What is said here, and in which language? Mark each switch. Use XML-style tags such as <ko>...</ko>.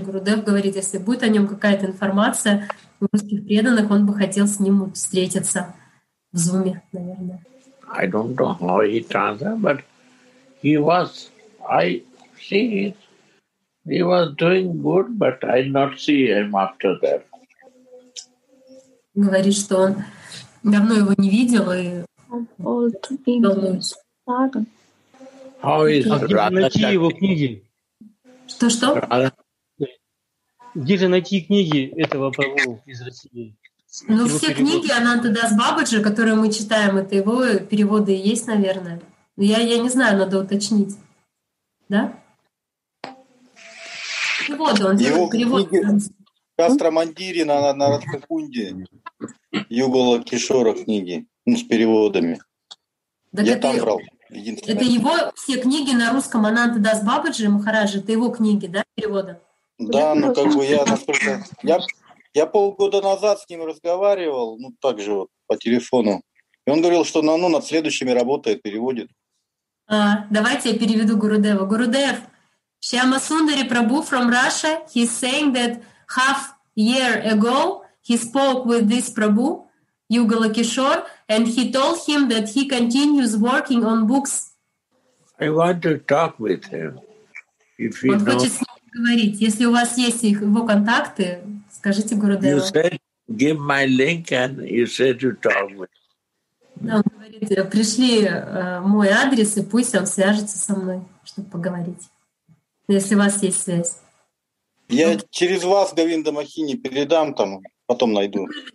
<ru>Гурудев говорит, если будет о нем какая-то информация у русских преданных, он бы хотел с ним встретиться в Зуме, наверное.</ru> <en>I don't know how he translated, but he was... I see it. He was doing good, but I did not see him after that.</en> <ru>Говорит, что он давно его не видел и</ru> <en>How is</en> <ru>найти его книги? Что? Где же найти книги этого Прабху из России? Ну, все книги Ананта Дас Бабаджи, которые мы читаем, это его переводы и есть, наверное. Но я не знаю, надо уточнить. Да? Переводы, он его переводы. Книги Шастра Мандири на Радхакунде, Югала Кишора книги, ну, с переводами. Так я это, там брал. Это его все книги на русском Ананта Дас Бабаджи Махараджи, это его книги, да, перевода? Да, ну как бы я настолько... Я полгода назад с ним разговаривал, ну так же вот, по телефону. И он говорил, что ну, над следующими работает, переводит. А, давайте я переведу Гурудева.</ru> <en>Гурудев, Шьяма Сундари Прабу from Russia, he's saying that half year ago he spoke with this Prabhu, Yugala Kishore, and he told him that he continues working on books. I want to talk with him. If he</en> <ru>он хочет с ним поговорить. Если у вас есть его контакты, скажите Гурудеву.</ru> <en>You said, give my link and you said to talk with him.</en> <ru>Он говорит, пришли мой адрес, и пусть он свяжется со мной, чтобы поговорить. Если у вас есть связь. Я через вас, Говинда Махини, передам там, потом найду.</ru>